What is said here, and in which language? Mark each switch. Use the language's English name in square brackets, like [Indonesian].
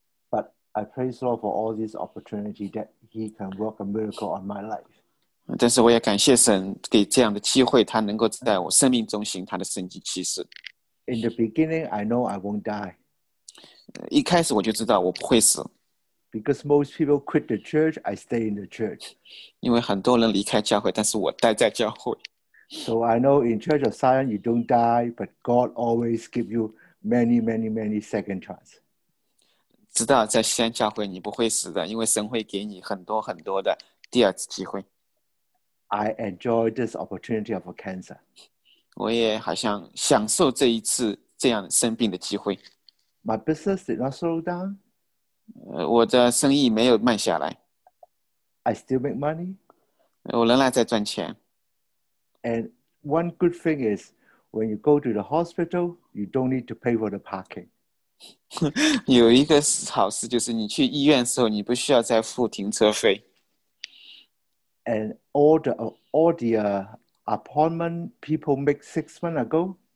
[English] But I praise the Lord for all this opportunity that he can work a miracle on my life. [Chinese] 但是我也感谢神给这样的机会，他能够在我生命中行他的神迹奇事。 [English] In the beginning, I know I won't die. [Chinese] 一开始我就知道我不会死。 [English] Because most people quit the church, I stay in the church. [Chinese] 因为很多人离开教会，但是我待在教会。 [English] So I know in Church of Zion, you don't die, but God always gives you many, many, many second chance. [Chinese] 知道在西安教会你不会死的，因为神会给你很多很多的第二次机会。 [English] I enjoy this opportunity of a cancer. [Chinese] 我也好像享受这一次这样生病的机会。 [English] My business did not slow down. [Chinese] 我的生意没有慢下来。 [English] I still make money. [Chinese] 我仍然在赚钱。 [English] And one good thing is, when you go to the hospital, you don't need to pay for the parking. [Chinese] 有一个好事就是你去医院的时候，你不需要再付停车费。 [English] And all the appointment people make 6 months ago.